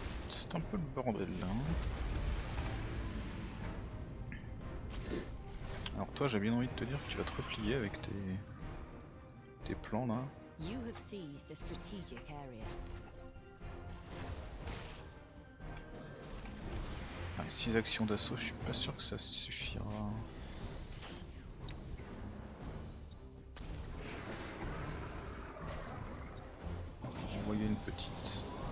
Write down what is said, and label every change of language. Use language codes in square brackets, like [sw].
[fr] C'est un peu le bordel là. Hein. Alors toi, j'ai bien envie de te dire que tu vas te replier avec tes plans là. [en] You have seized a strategic area. [fr] Ah, 6 actions d'assaut, je suis pas sûr que ça suffira. Envoyer une petite.